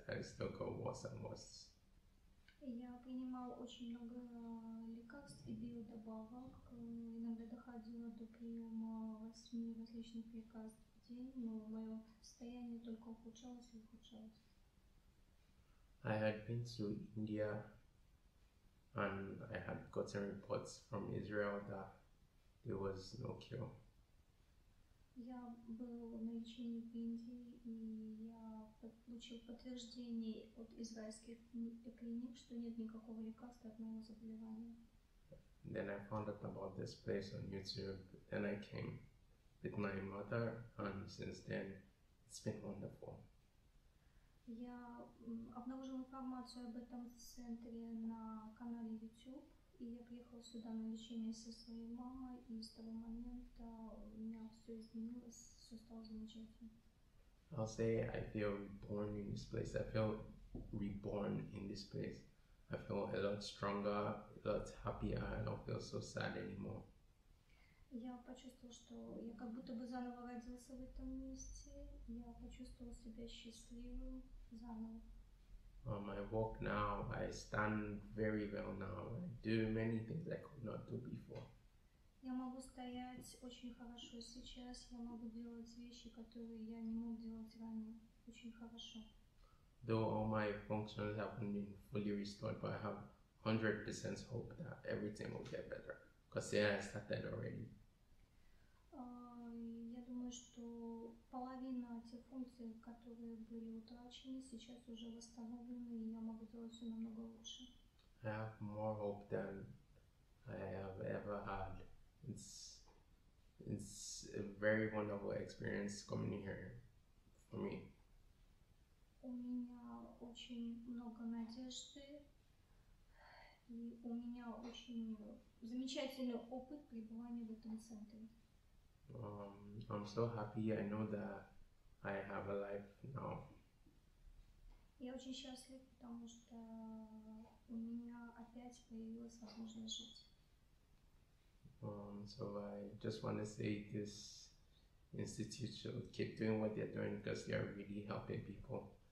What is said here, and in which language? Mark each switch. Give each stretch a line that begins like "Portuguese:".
English: I still got worse and worse.
Russian: Я принимал очень много лекарств и биодобавок. Иногда доходило до приема 8 различных лекарств в день, но мое состояние только ухудшалось и ухудшалось.
English: I had been to India and I had gotten reports from Israel that there was no cure.
Russian: Я был на лечении в Индии, и я получил подтверждение от израильских клиник, что нет никакого лекарства от моего заболевания.
English: Then I found out about this place on YouTube, then I came with my mother, and since then it's been wonderful.
Russian: Я обнаружил информацию об этом центре на канале YouTube. И я приехал сюда на лечение со своей мамой, и с того момента у меня все изменилось, все стало замечательно.
English: I'll say I feel reborn in this place. I feel reborn in this place. I feel a lot stronger, a lot happier. I don't feel so sad anymore.
Russian: Я почувствовала, что я как будто бы заново родился в этом месте. Я почувствовала себя счастливым заново.
English: On my walk now, I stand very well now. I do many things I could not do before.
Russian: Я могу стоять очень хорошо сейчас. Я могу делать вещи, которые я не мог делать ранее. Очень хорошо.
English: Though all my functions haven't been fully restored, but I have 100% hope that everything will get better. Because yeah, I started already.
Russian: Я думаю, что половина тех функций, которые были утрачены, сейчас уже восстановлены, и я могу делать все намного лучше.
English: I have more hope than I have ever had. It's a very wonderful experience coming here for me.
Russian: У меня очень много надежды, и у меня очень замечательный опыт пребывания в этом центре.
English: I'm so happy. I know that I have a life now.
Russian: Я очень счастлив, потому что у меня опять появилась возможность жить.
English: So I just want to say this institute should keep doing what they're doing because they are really helping people.